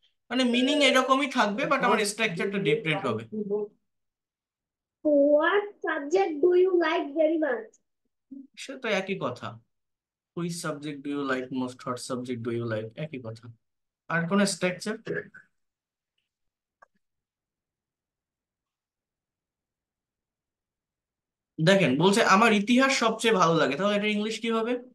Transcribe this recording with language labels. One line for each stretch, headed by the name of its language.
Bangla: মানে মিনিং এরকমই থাকবে, বাট আমার স্ট্রাকচারটা ডিফারেন্ট হবে।
English: What subject do you like very much?
Bangla: সে তো একই কথা,
English: which subject do you like most, what subject do you like,
Bangla: একই কথা। আর কোন স্ট্রাকচার? দেখেন বলছে আমার ইতিহাস সবচেয়ে ভালো লাগে, তাহলে এটা ইংলিশ কি হবে?